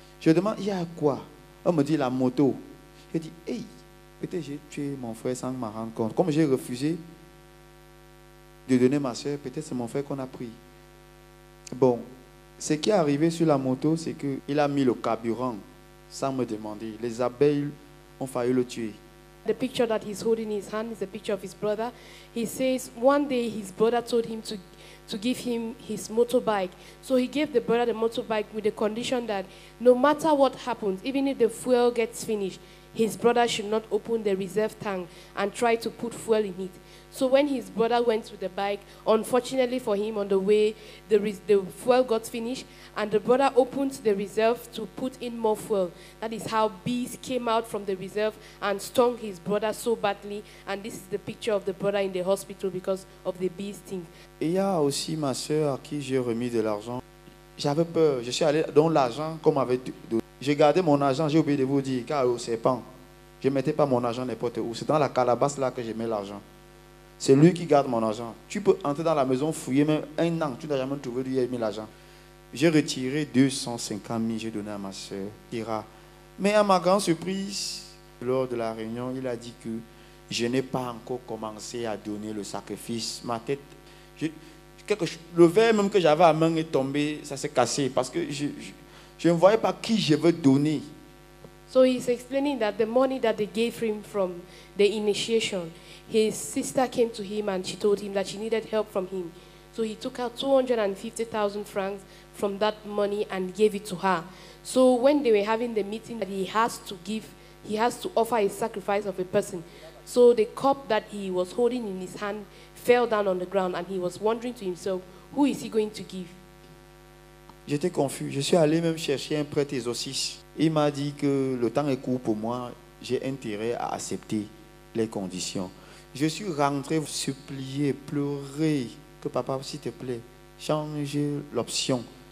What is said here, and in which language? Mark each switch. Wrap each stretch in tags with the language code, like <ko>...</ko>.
<fr>Je demande, il y a quoi? On me dit la moto. Je dis, hey, peut-être j'ai tué mon frère sans m'en rendre compte. Comme j'ai refusé de donner ma soeur, peut-être c'est mon frère qu'on a pris. Bon, ce qui est arrivé sur la moto, c'est qu'il a mis le carburant sans me demander. Les abeilles ont failli le tuer.</fr> <en>The picture that he's holding in his hand is a picture of his brother. He says one day his brother told him to give him his motorbike. So he gave the brother the motorbike with the condition that no matter what happens, even if the fuel gets finished, his brother should not open the reserve tank and try to put fuel in it. So when his brother went with the bike, unfortunately for him, on the way, the fuel got finished, and the brother opened the reserve to put in more fuel. That is how bees came out from the reserve and stung his brother so badly. And this is the picture of the brother in the hospital because of the bee sting.</en> <fr>Il y a aussi ma sœur à qui j'ai remis de l'argent. J'avais peur. Je suis allé dans l'argent qu'on m'avait donné. J'ai gardé mon argent. J'ai oublié de vous dire car au serpent, je mettais pas mon argent n'importe où. C'est dans la calabasse là que je mets l'argent. C'est lui qui garde mon argent. Tu peux entrer dans la maison, fouiller, mais un an, tu n'as jamais trouvé où il a mis l'argent. J'ai retiré 250 000, j'ai donné à ma soeur, Ira. Mais à ma grande surprise, lors de la réunion, il a dit que je n'ai pas encore commencé à donner le sacrifice. Ma tête, le verre même que j'avais à main est tombé, ça s'est cassé parce que je ne voyais pas qui je veux donner.</fr> <en>So he's explaining that the money that they gave him from the initiation, his sister came to him and she told him that she needed help from him. So he took out 250,000 francs from that money and gave it to her. So when they were having the meeting that he has to offer a sacrifice of a person. So the cup that he was holding in his hand fell down on the ground and he was wondering to himself, who is he going to give?</en> <fr>J'étais confus. Je suis allé même chercher un prêtre exorciste. Il m'a dit que le temps est court pour moi. J'ai intérêt à accepter les conditions. Je suis rentré supplier, pleurer. Que papa, s'il te plaît, change l'option.</fr>